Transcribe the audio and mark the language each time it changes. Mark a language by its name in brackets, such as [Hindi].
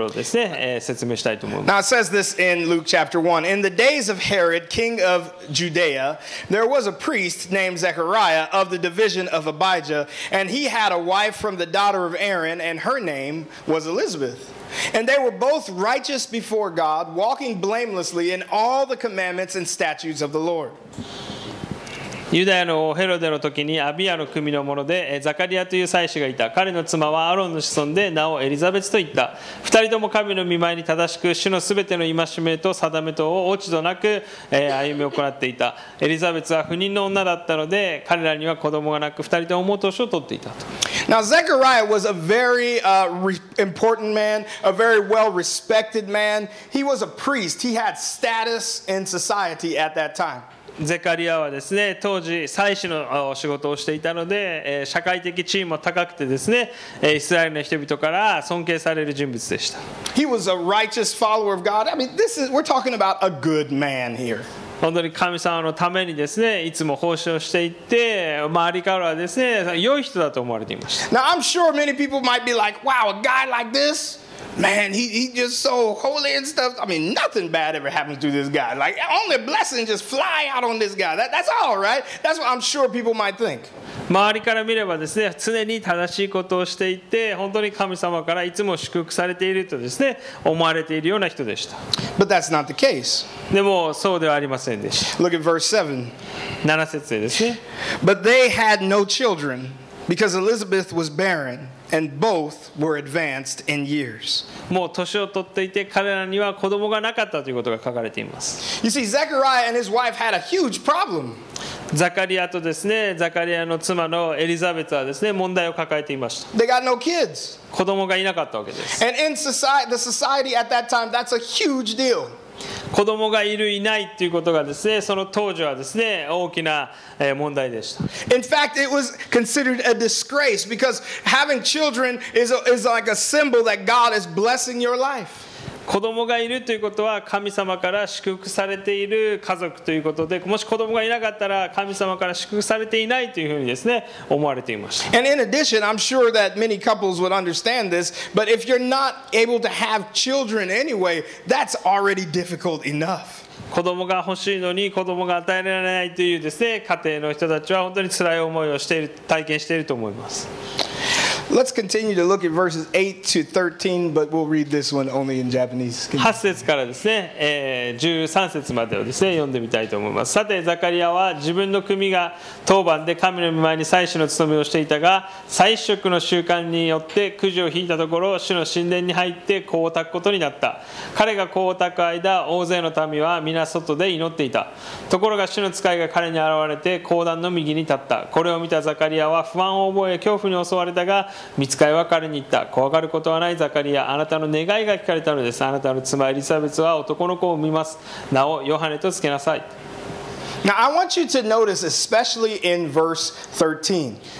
[Japanese] まずですね、一つ目のポイントで、私たちがどんな人間であろうとも問題を抱えているっていうところをですね、説明したいと思います。 [English] Now it says this in Luke chapter 1. In the days of Herod, king of Judea, there was a priest named Zechariah of the division of Abijah, and he had a wife from the daughter of Aaron, and her name was Elizabeth. And they were both righteous before God, walking blamelessly in all the commandments and statutes of the Lord. [Japanese] ユダヤの王ヘロデの時にアビアの組の者でザカリアという祭司がいた。彼の妻はアロンの子孫で名をエリザベツといった。二人とも神の御前に正しく主のすべての戒めと定めとを落ち度なく歩みを行っていた。エリザベツは不妊の女だったので彼らには子供がなく二人とも元年を取っていたと。 [English] Now Zechariah was a very important man, a very well respected man. He was a priest. He had status in society at that time. [Japanese] ゼカリアはですね、当時祭司の仕事をしていたので、社会的地位も高くてですね、イスラエルの人々から尊敬される人物でした。 [English] He was a righteous follower of God. I mean, this is, we're talking about a good man here. [Japanese] 本当に神様のためにですね、いつも奉仕をしていて、周りからはですね、良い人だと思われていました。 [English] Now, I'm sure many people might be like, wow, a guy like this? Man, he just so holy and stuff. I mean, nothing bad ever happens to this guy. Like, only blessings just fly out on this guy. That's all, right? That's what I'm sure people might think. [Japanese] 周りから見ればですね、常に正しいことをしていて、本当に神様からいつも祝福されているとですね、思われているような人でした。 [English] But that's not the case. [Japanese] でもそうではありませんでした。 [English] Look at verse [Japanese] 7. 7節ですね。 [English] But they had no children because Elizabeth was barren. And both were advanced in years. [Japanese] もう年を取っていて彼らには子供がなかったということが書かれています。 [English] You see, Zechariah and his wife had a huge problem. [Japanese] ザカリアとですね、ザカリアの妻のエリザベツはですね、問題を抱えていました。 [English] They got no kids. [Japanese] 子供がいなかったわけです。 [English] And in the society at that time, that's a huge deal. [Japanese] 子供がいるいないっていうことがですね、その当時はですね、大きな問題でした。 [English] In fact, it was considered a disgrace because having children is like a symbol that God is blessing your life. [Japanese] 子供がいるということは神様から祝福されている家族ということで、もし子供がいなかったら神様から祝福されていないというふうにですね、思われていました。 [English] And in addition, I'm sure that many couples would understand this, but if you're not able to have children anyway, that's already difficult enough. [Japanese] 子供が欲しいのに子供が与えられないというですね、家庭の人たちは本当に辛い思いをしている、体験していると思います。 [English] Let's continue to look at verses 8 to 13, but we'll read this one only in Japanese. [Japanese] 8節からですね、13節までをですね、読んでみたいと思います。さて、ザカリアは自分の組が当番で神の御前に祭司の務めをしていたが、祭食の習慣によってくじを引いたところ、主の神殿に入って香を焚くことになった。彼が香を焚く間、大勢の民は皆外で祈っていた。ところが主の使いが彼に現れて香壇の右に立った。これを見たザカリアは不安を覚え、恐怖に襲われたが、御使いは彼に言った。怖がることはないザカリア、あなたの願いが聞かれたのです。あなたの妻エリザベツは男の子を産みます。名をヨハネとつけなさい。 [English] Now I want you to notice, especially in verse 13.